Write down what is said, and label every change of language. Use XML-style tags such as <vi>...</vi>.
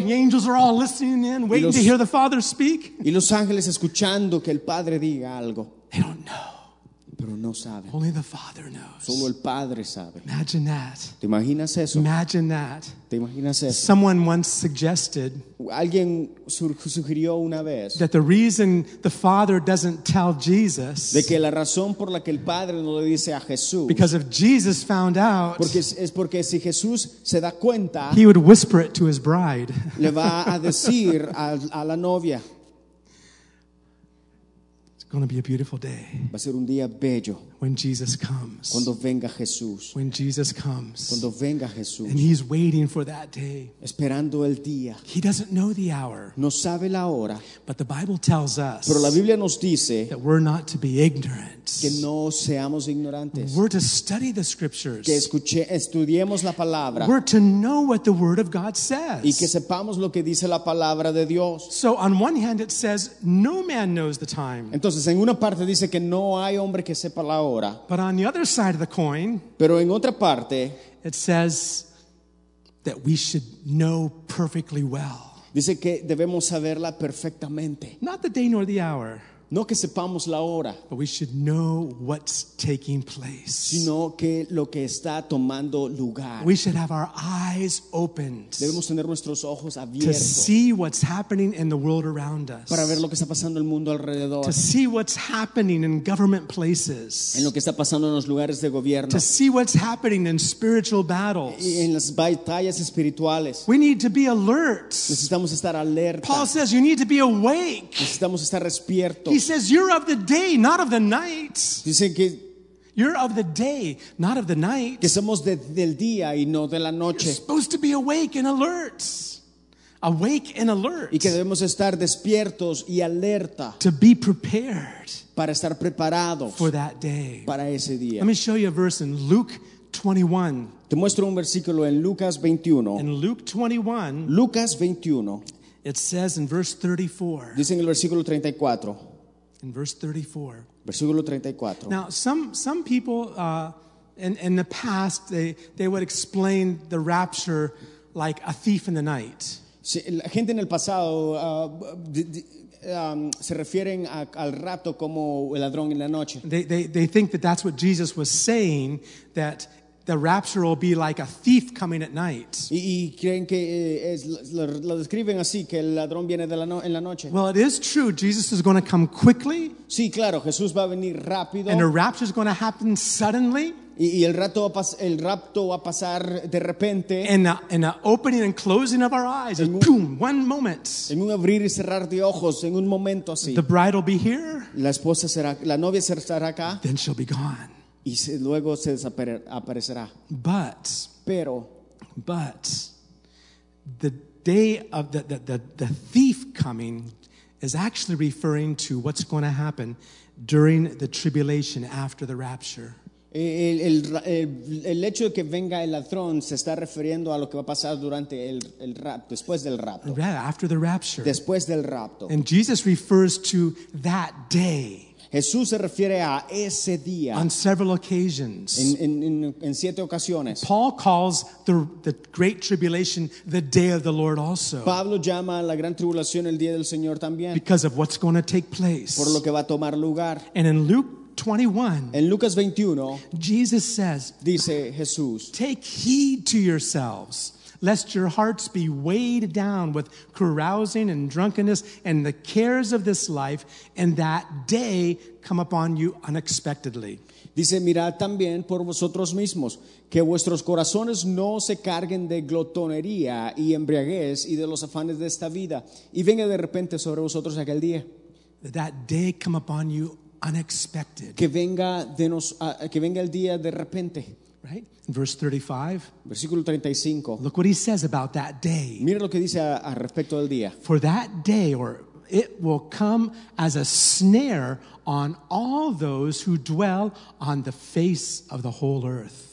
<en>The angels are all listening in, waiting to hear the Father speak.</en> <es>Los ángeles escuchando que el Padre diga algo.</es> <en>They don't know.</en> <es>Pero no saben.</es> <en>Only the Father knows.</en> <es>Solo el Padre sabe.</es> <en>Imagine that.</en> <es>¿Te imaginas eso?</es> <en>Imagine that.</en> <es>¿Te imaginas eso?</es> <en>Someone once suggested,</en> <es>alguien sugirió una vez,</es> <en>that the reason the Father doesn't tell Jesus,</en> <es>de que la razón por la que el Padre no le dice a Jesús,</es> <en>because if Jesus found out,</en> <es>porque es porque si Jesús se da cuenta,</es> <en>he would whisper it to his bride.</en> <es>Le va a decir a la novia.</es> <en>It's going to be a beautiful day.</en> <es>Va a ser un día bello.</es> <en>When Jesus comes.</en> <es>Cuando venga Jesús.</es> <en>When Jesus comes.</en> <es>Cuando venga Jesús.</es> <en>And he's waiting for that day.</en> <es>Esperando el día.</es> <en>He doesn't know the hour.</en> <es>No sabe la hora.</es> <en>But the Bible tells us.</en> <es>Pero la Biblia nos dice.</es> <en>That we're not to be ignorant.</en> <es>Que no seamos ignorantes.</es> <en>We're to study the scriptures.</en> <es>Que estudiemos la palabra.</es> <en>We're to know what the word of God says.</en> <es>Y que sepamos lo que dice la palabra de Dios.</es> <en>So on one hand it says no man knows the time.</en> <es>Entonces Entonces, en una parte dice que no hay hombre que sepa la hora.</es> <en>But on the other side of the coin,</en> <es>pero en otra parte,</es> <en>it says that we should know perfectly well.</en> <es>Dice que debemos saberla perfectamente.</es> <en>Not the day nor the hour.</en> <es>No que sepamos la hora,</es> <en>but we should know what's taking place.</en> <es>Sino que lo que está tomando lugar.</es> <en>We should have our eyes opened.</en> <es>Debemos tener nuestros ojos abiertos.</es> <en>To see what's happening in the world around us.</en> <es>Para ver lo que está pasando en el mundo alrededor.</es> <en>To see what's happening in government places.</en> <es>En lo que está pasando en los lugares de gobierno.</es> <en>To see what's happening in spiritual battles.</en> <es>Y en las batallas espirituales.</es> <en>We need to be alert.</en> <es>Necesitamos estar alerta.</es> <en>Paul says you need to be awake.</en> <es>Necesitamos estar despierto.</es> <en>He says, you're of the day, not of the night.</en> <es>Dice que,</es> <en>you're of the day, not of the night.</en> <es>Que somos del día y no de la noche.</es> <en>You're supposed to be awake and alert. Awake and alert.</en> <es>Y que debemos estar despiertos y alerta.</es> <en>To be prepared.</en> <es>Para estar preparados.</es> <en>For that day.</en> <es>Para ese día.</es> <en>Let me show you a verse in Luke 21.</en> <es>Te muestro un versículo en Lucas 21.</es> <en>In Luke 21.</en> <es>Lucas 21.</es> <en>It says in verse 34.</en> <es>Dice en el versículo 34.</es> <en>In verse 34.</en> <es>Versículo 34.</es> <en>Now some people in the past they would explain the rapture like a thief in the night.</en> <es>Sí, la gente en el pasado se refieren al rapto como el ladrón en la noche.</es> <en>They think that that's what Jesus was saying, that the rapture will be like a thief coming at night.</en> <es>Y creen que es, lo describen así, que el ladrón viene de la no, en la noche.</es> <en>Well, it is true. Jesus is going to come quickly.</en> <es>Sí, claro, Jesús va a venir rápido.</es> <en>And a rapture is going to happen suddenly.</en> <es>Y el rapto va a pasar de repente.</es> <en>In the opening and closing of our eyes, boom, one moment.</en> <es>En un abrir y cerrar de ojos, en un momento así.</es> <en>The bride will be here.</en> <es>La esposa será, la novia estará acá.</es> <en>Then she'll be gone.</en> <es>Y luego se desaparecerá.</es> <en>But the day of the thief coming is actually referring to what's going to happen during the tribulation after the rapture.</en> <es>El hecho de que venga el ladrón se está refiriendo a lo que va a pasar durante el rapto, después del rapto.</es> <en>Right, after the rapture.</en> <es>Después del rapto.</es> <en>And Jesus refers to that day.</en> <es>Jesús se refiere a ese día.</es> <en>On several occasions.</en> <es>En siete ocasiones.</es> <en>Paul calls the great tribulation the day of the Lord also.</en> <es>Pablo llama la gran tribulación el día del Señor también.</es> <en>Because of what's going to take place.</en> <es>Por lo que va a tomar lugar.</es> <en>And in Luke 21.</en> <es>En Lucas 21.</es> <en>Jesus says.</en> <es>Dice Jesús.</es> <en>Take heed to yourselves, lest your hearts be weighed down with carousing and drunkenness and the cares of this life, and that day come upon you unexpectedly.</en> <es>Dice, mirad también por vosotros mismos, que vuestros corazones no se carguen de glotonería y embriaguez y de los afanes de esta vida, y venga de repente sobre vosotros aquel día.</es> <en>That day come upon you unexpected.</en> <es>Que venga el día de repente.</es> <en>Right? Verse 35.</en> <es>Versículo 35.</es> <en>Look what he says about that day.</en> <es>Mira lo que dice a respecto del día.</es> <en>For that day, or it will come as a snare on all those who dwell on the face of the whole earth.</en>